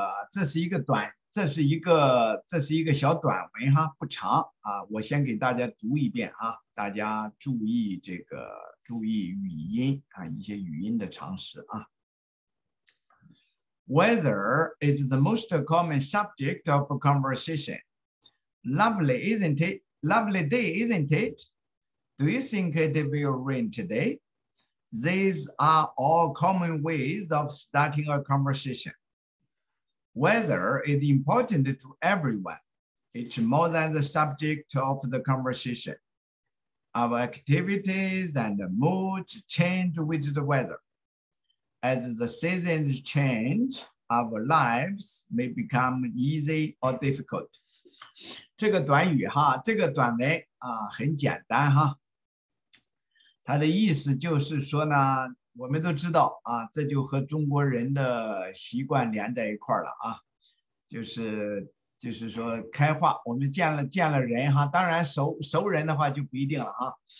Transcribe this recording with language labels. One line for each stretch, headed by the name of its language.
Chinese: 这是一个小短文哈，不长啊。我先给大家读一遍啊，大家注意这个注意语音啊，一些语音的常识啊。
English: Weather is the most common subject of conversation. Lovely, isn't it? Lovely day, isn't it? Do you think it will rain today? These are all common ways of starting a conversation. Weather is important to everyone. It's more than the subject of the conversation. Our activities and moods change with the weather. As the seasons change, our lives may become easy or difficult.
Chinese: 这个短语哈，这个短文啊，很简单哈。它的意思就是说呢，我们都知道啊，这就和中国人的习惯连在一块了啊，就是说开化，我们见了人哈，当然熟人的话就不一定了啊。